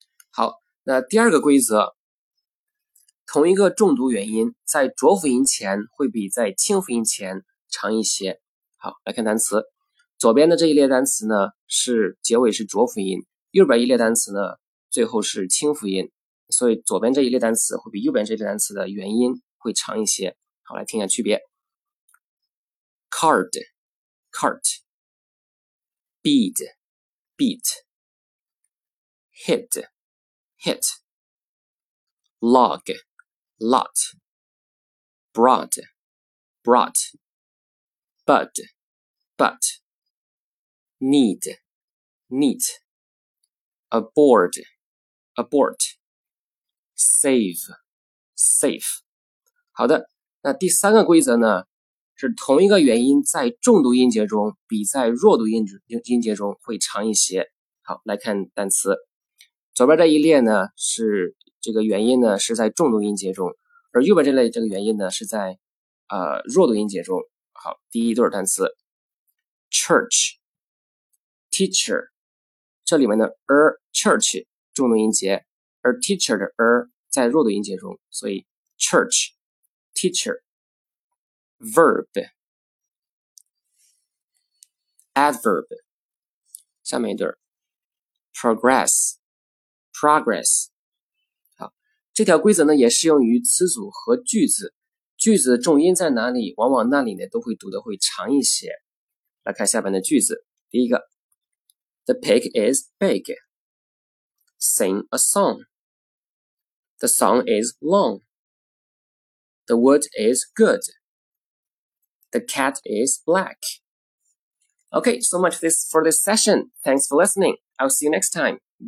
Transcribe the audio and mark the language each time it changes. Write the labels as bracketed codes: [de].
[zh] 好，那第二个规则，同一个重读元音在浊辅音前会比在清辅音前长一些。好，来看单词。左边的这一列单词呢是结尾是浊辅音，右边一列单词呢最后是清辅音，所以左边这一列单词会比右边这一列单词的元音会长一些。好，来听一下区别。 [en] card beadbeat, hit, hit, log, lot, broad, brought, bud, but, need, neat, aboard, abort, save, safe. [zh] 好的，那第三个规则呢，是同一个元音在重读音节中比在弱读音节中会长一些。好，来看单词。左边这一列呢是这个元音呢是在重读音节中，而右边这类这个元音呢是在弱读音节中。好，第一对单词 church teacher， 这里面的 church 重读音节，而 teacher 的 在弱读音节中，所以 [en] church teacherverb, adverb, [zh] 下面一对 progress. 好，这条规则呢也适用于词组和句子。句子重音在哪里，往往那里呢都会读得会长一些。来看下面的句子。第一个 [en] ,The pig is big. Sing a song. The song is long. The wood is good. The cat is black. Okay, so much for this session. Thanks for listening. I'll see you next time. Bye.